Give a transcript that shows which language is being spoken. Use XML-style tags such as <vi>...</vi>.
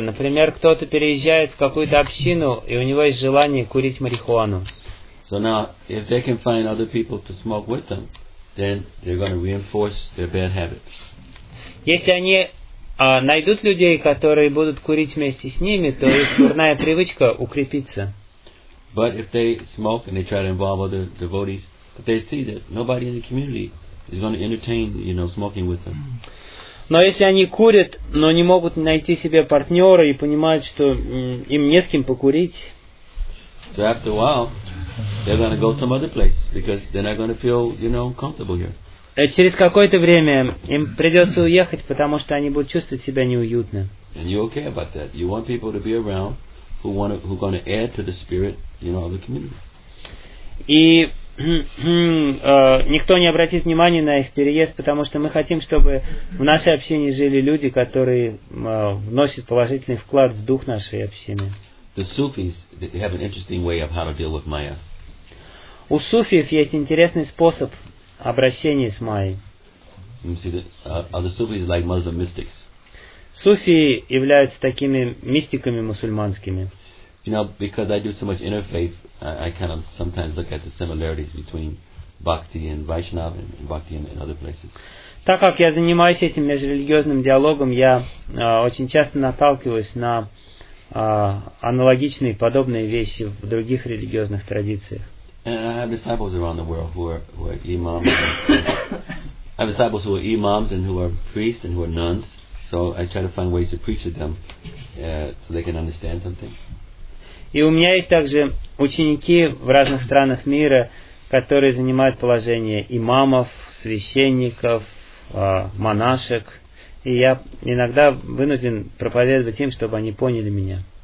<ru>Например, кто-то переезжает в какую-то общину, и у него есть желание курить марихуану.</ru> <en>So now, if they can find other people to smoke with them, then they're going to reinforce their bad habits.</en> <ru>Если они найдут людей, которые будут курить вместе с ними, то их дурная привычка укрепится.</ru> <en>But if they smoke and they try to involve other devotees, but they see that nobody in the community is going to entertain, smoking with them.</en> <ru>Но если они курят, но не могут найти себе партнера и понимают, что им не с кем покурить,</ru> <en>so after a while, they're going to go some other place because they're not going to feel, comfortable here.</en> <ru>Через какое-то время им придется уехать, потому что они будут чувствовать себя неуютно.</ru> <en>And you okay about that? You want people to be around who are going to add to the spirit, of the community.</en> <ru>И никто не обратит внимания на их переезд, потому что мы хотим, чтобы в нашей общине жили люди, которые вносят положительный вклад в дух нашей общины.</ru> <en>The Sufis have an interesting way of how to deal with Maya.</en> <ru>У суфиев есть интересный способ обращения с Майей.</ru> <en>You see that the Sufis like Muslim mystics.</en> <ru>Суфии являются такими мистиками мусульманскими.</ru> <en>You know, because I do so much interfaith, I kind of sometimes look at the similarities between bhakti and Vaishnava and bhakti in other places.</en> <ru>Так как я занимаюсь этим межрелигиозным диалогом, я очень часто наталкиваюсь на аналогичные подобные вещи в других религиозных традициях.</ru> <en>And I have disciples around the world who are imams. I have disciples who are imams and who are priests and who are nuns. So I try to find ways to preach to them so they can understand something.</en> <ru>И у меня есть также ученики в разных странах мира, которые занимают положение имамов, священников, монашек. И я иногда вынужден проповедовать им, чтобы они поняли меня.</ru>